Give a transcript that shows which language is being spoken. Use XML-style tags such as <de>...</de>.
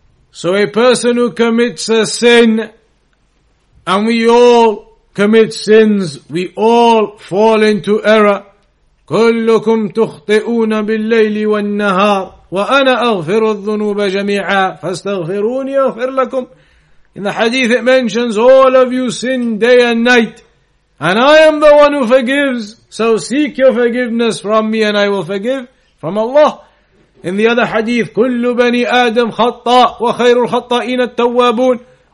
<en>So a person who commits a sin, and we all commit sins, we all fall into error.</en> <ar>كلكم تخطئون بالليل والنهار وأنا أغفر الذنوب جميعا فاستغفروني أغفر لكم.</ar> <en>In the hadith it mentions, all of you sin day and night, and I am the one who forgives, so seek your forgiveness from me and I will forgive from Allah. In the other hadith,</en> <ar>كُلُّ بَنِي آدَمْ خَطَّاءُ وَخَيْرُ الْخَطَّائِينَ التَّوَّابُونَ.</ar>